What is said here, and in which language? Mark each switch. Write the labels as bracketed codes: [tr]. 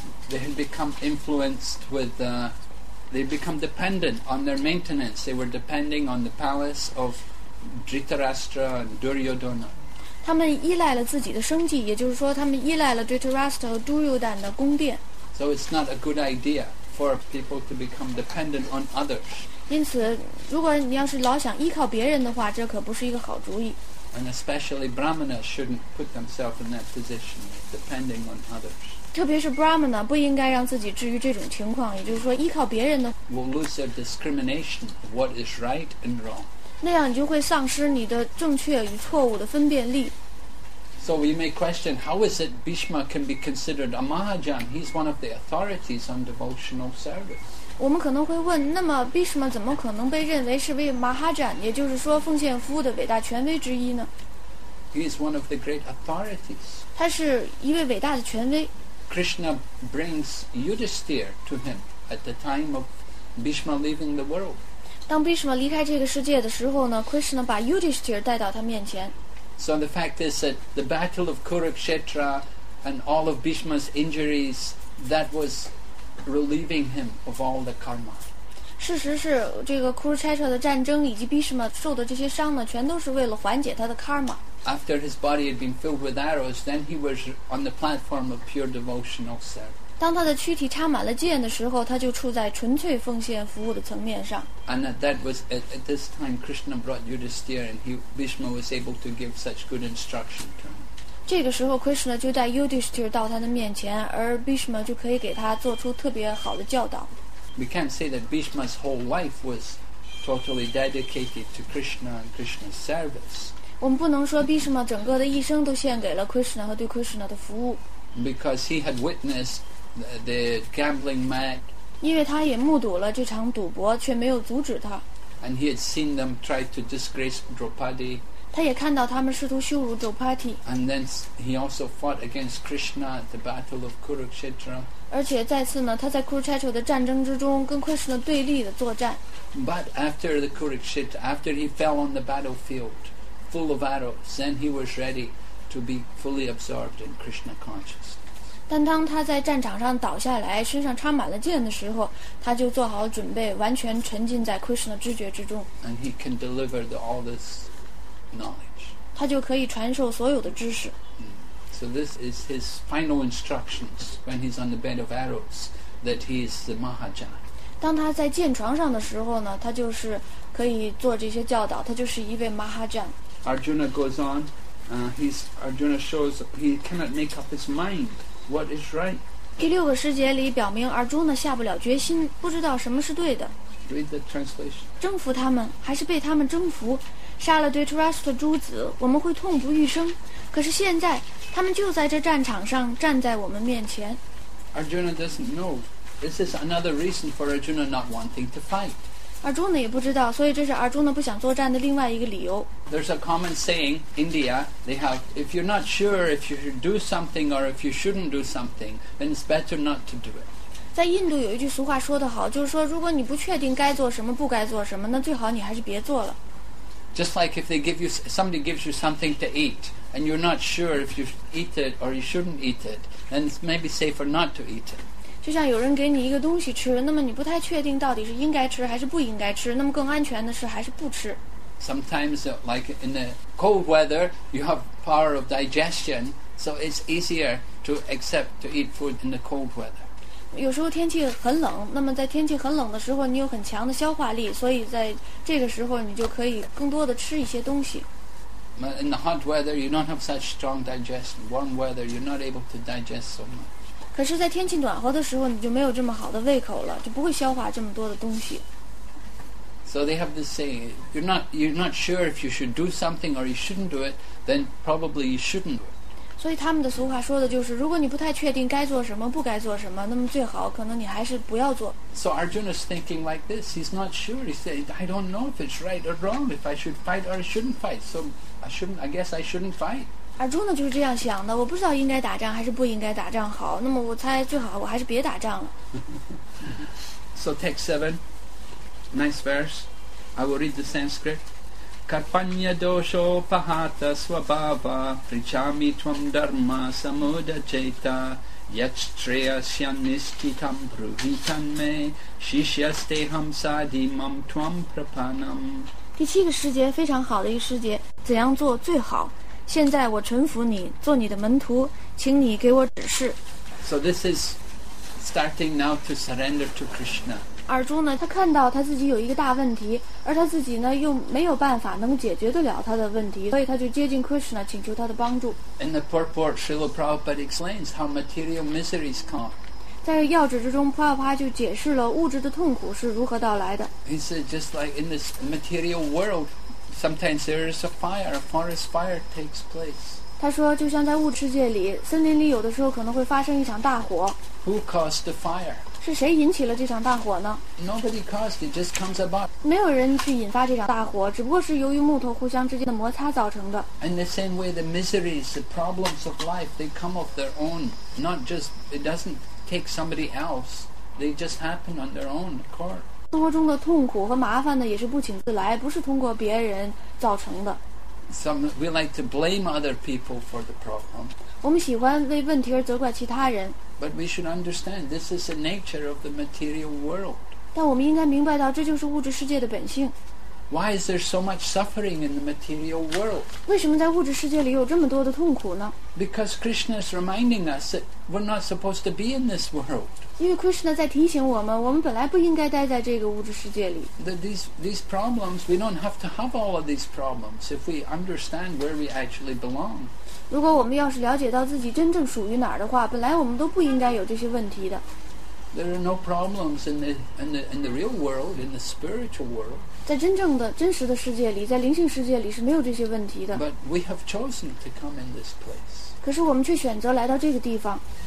[en] they had become influenced with they become dependent on their maintenance they were depending on the palace of Dhritarashtra and Duryodhana [zh] 他们依赖了自己的生计也就是说他们依赖了 Dhritarashtra 和 Duryodhana 的宫殿 [en] so it's not a good idea for people to become dependent on others [zh] 因此如果你要是老想依靠别人的话这可不是一个好主意 [en] and especially Brahmana shouldn't put themselves in that position depending on others [zh] 特别是 Brahmana 不应该让自己置于这种情况也就是说依靠别人的 [en] will lose their discrimination of what is right and wrong [zh] 那样你就会丧失你的正确与错误的分辨力 [en] so we may question how is it Bhishma can be considered a Mahajan he's one of the authorities on devotional service [zh] 我们可能会问那么 Bhishma 怎么可能被认为是位 Mahajan 也就是说奉献服务的伟大权威之一呢 [en] He is one of the great authorities [zh] 他是一位伟大的权威 [en] Krishna brings Yudhisthira to him at the time of Bhishma leaving the world [zh] 当 Bhishma 离开这个世界的时候呢 Krishna 把 Yudhisthira 带到他面前 [en] So the fact is that the battle of Kurukshetra and all of Bhishma's injuries that wasrelieving him of all the karma [zh] 事实是这个 Kurukshetra 的战争以及 Bhishma 受的这些伤呢全都是为了缓解他的 karma [en] after his body had been filled with arrows then he was on the platform of pure devotional service [zh] 当他的躯体插满了箭的时候他就处在纯粹奉献服务的层面上 [en] and that was at this time Krishna brought Yudhisthira and Bhishma was able to give such good instruction to him [zh] 这个时候 Krishna 就带 Yudhisthira 到他的面前而 Bhishma 就可以给他做出特别好的教导 [en] We can't say that Bhishma's whole life was totally dedicated to Krishna and Krishna's service [zh] 我们不能说 Bhishma 整个的一生都献给了 Krishna 和对 Krishna 的服务 [en] Because he had witnessed the gambling match [zh] 因为他也目睹了这场赌博却没有阻止他 [en] And he had seen them try to disgrace Draupadi [zh] 他也看到他们试图羞辱 Draupadi [en] and then he also fought against Krishna at the battle of Kurukshetra [zh] 而且再次呢他在 Kurukshetra 的战争之中跟 Krishna 对立的作战 [en] but after the Kurukshetra after he fell on the battlefield full of arrows then he was ready to be fully absorbed in Krishna consciousness [zh] 但当他在战场上倒下来身上插满了箭的时候他就做好准备完全沉浸在 Krishna 知觉之中 [en] and he can deliver all thisknowledge [zh] 他就可以传授所有的知识 [en] So this is his final instructions when he's on the bed of arrows that he is the Mahajan [zh] 当他在箭床上的时候呢他就是可以做这些教导他就是一位 Mahajan [en] Arjuna goes on Arjuna shows he cannot make up his mind what is right [zh] 第六个诗节里表明 Arjuna 下不了决心不知道什么是对的 [en] Read the translation [zh] 征服他们还是被他们征服杀了对 Dhritarashtra 的诸子我们会痛不欲生可是现在他们就在这战场上站在我们面前 [en] Arjuna doesn't know this is another reason for Arjuna not wanting to fight [zh] 阿忠呢也不知道，所以这是阿忠呢不想作战的另外一个理由。 [en] There's a common saying, India, they have, if you're not sure if you should do something or if you shouldn't do something, then it's better not to do it. [zh] 在印度有一句俗话说得好，就是说如果你不确定该做什么不该做什么，那最好你还是别做了。 [en] Just like if they give you, somebody gives you something to eat, and you're not sure if you eat it or you shouldn't eat it, then it's maybe safer not to eat it. [zh] 就像有人给你一个东西吃，那么你不太确定到底是应该吃还是不应该吃，那么更安全的是还是不吃。 [en] Sometimes, like in the cold weather, you have power of digestion, so it's easier to accept to eat food in the cold weather. [zh] 有时候天气很冷，那么在天气很冷的时候，你有很强的消化力，所以在这个时候你就可以更多的吃一些东西。 [en] In the hot weather, you don't have such strong digestion. Warm weather, you're not able to digest so much. [zh] 可是，在天气暖和的时候，你就没有这么好的胃口了，就不会消化这么多的东西。 [en] So they have this saying: you're not sure if you should do something or you shouldn't do it, then probably you shouldn't do it. [zh] 所以他们的俗话说的就是，如果你不太确定该做什么不该做什么，那么最好可能你还是不要做。 [en] So Arjuna is thinking like this. He's not sure. He said, "I don't know if it's right or wrong. If I should fight or I shouldn't fight. So I shouldn't. I guess I shouldn't fight." [zh] Arjuna 就是这样想的。我不知道应该打仗还是不应该打仗好。那么我猜最好我还是别打仗了。 [en] So text 7, nice verse. I will read the Sanskrit. [sa] Karpanya dosho pahata swabhava prichami tvam dharma samudacheta yachtreya syanishchitam bruhitan me shishyaste hamsadhi mam tvam prapanam [zh] 第七个世界非常好的一个世界，怎样做最好？现在我臣服你，做你的门徒，请你给我指示。 [en] So this is starting now to surrender to Krishna. [zh] 阿忠呢，他看到他自己有一个大问题，而他自己呢又没有办法能解决得了他的问题，所以他就接近 Krishna 请求他的帮助。 [en] In the purport, Srila Prabhupada explains how material miseries come. [zh] 在要旨之中 ，Prabhupada 就解释了物质的痛苦是如何到来的。 [en] He said, just like in this material world, sometimes there is a fire, a forest fire takes place. [zh] 他说，就像在物质界里，森林里有的时候可能会发生一场大火。 [en] Who caused the fire? [zh] 是谁引起了这场大火呢 [en] ？Nobody caused it; just comes about. [zh] 没有人去引发这场大火，只不过是由于木头互相之间的摩擦造成的。 [en] In the same way, the miseries, the problems of life, they come of their own. Not just it doesn't take somebody else; they just happen on their own accord. [zh] 生活中的痛苦和麻烦呢，也是不请自来，不是通过别人造成的。 [en] Some we like to blame other people for the problem. [zh] 我们喜欢为问题而责怪其他人。 [en] But we should understand this is the nature of the material world. [zh] 但我们应该明白到这就是物质世界的本性。 [en] Why is there so much suffering in the material world? [zh] 为什么在物质世界里有这么多的痛苦呢 [en] ？Because Krishna is reminding us that we're not supposed to be in this world. [zh] 因为 Krishna 在提醒我们，我们本来不应该待在这个物质世界里。 [en] That these problems, we don't have to have all of these problems if we understand where we actually belong. [zh] 如果我们要是了解到自己真正属于哪儿的话，本来我们都不应该有这些问题的。 [en] There are no problems in the real world, in the spiritual world. [zh] 在真正的真实的世界里，在灵性世界里是没有这些问题的。 [en] But we have chosen to come in this place. [zh] 可是我们却选择来到这个地方。